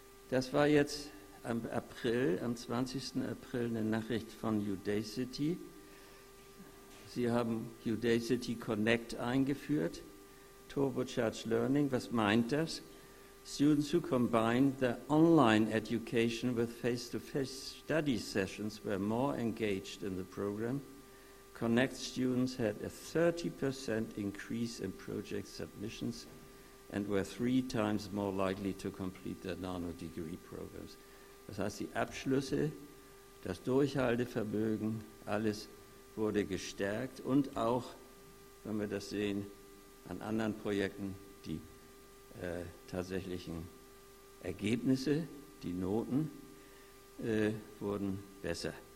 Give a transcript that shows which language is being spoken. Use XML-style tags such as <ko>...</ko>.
<de>Das war jetzt am 20. April eine Nachricht von Udacity. Sie haben Udacity Connect eingeführt, Turbocharged Learning. Was meint das?</de> <en>Students who combine their online education with face-to-face study sessions were more engaged in the program. Connect students had a 30% increase in project submissions and were 3 times more likely to complete their nano-degree programs.</en> <de>Das heißt, die Abschlüsse, das Durchhaltevermögen, alles wurde gestärkt und auch, wenn wir das sehen, an anderen Projekten, die tatsächlichen Ergebnisse, die Noten, wurden besser.</de>